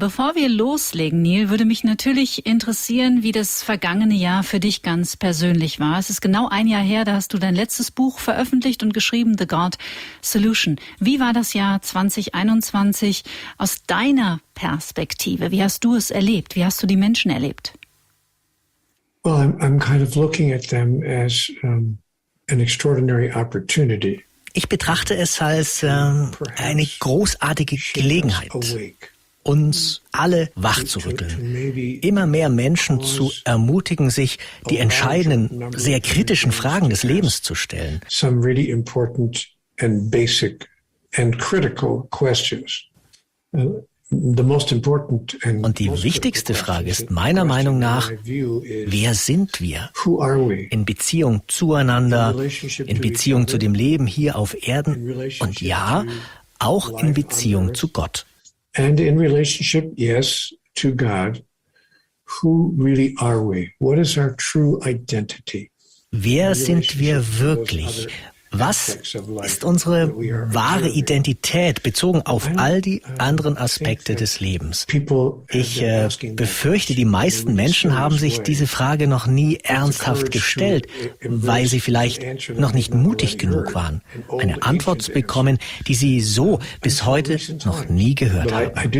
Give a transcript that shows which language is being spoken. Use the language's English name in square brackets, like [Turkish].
[German] Bevor wir loslegen, Neil, würde mich natürlich interessieren, wie das vergangene Jahr für dich ganz persönlich war. Es ist genau ein Jahr her, da hast du dein letztes Buch veröffentlicht und geschrieben, The God Solution. Wie war das Jahr 2021 aus deiner Perspektive? Wie hast du es erlebt? Wie hast du die Menschen erlebt? [English] Well, I'm kind of looking at them as an extraordinary opportunity. [German] Ich betrachte es als eine großartige Gelegenheit, uns alle wachzurütteln, immer mehr Menschen zu ermutigen, sich die entscheidenden, sehr kritischen Fragen des Lebens zu stellen. [English] Some really important and basic and critical questions. [German] Und die wichtigste Frage ist meiner Meinung nach, wer sind wir in Beziehung zueinander, in Beziehung zu dem Leben hier auf Erden und ja, auch in Beziehung zu Gott. [English] And in relationship, yes, to God, who really are we? What is our true identity? [German] Wer sind wir wirklich? Was ist unsere wahre Identität bezogen auf all die anderen Aspekte des Lebens? Ich befürchte, die meisten Menschen haben sich diese Frage noch nie ernsthaft gestellt, weil sie vielleicht noch nicht mutig genug waren, eine Antwort zu bekommen, die sie so bis heute noch nie gehört haben.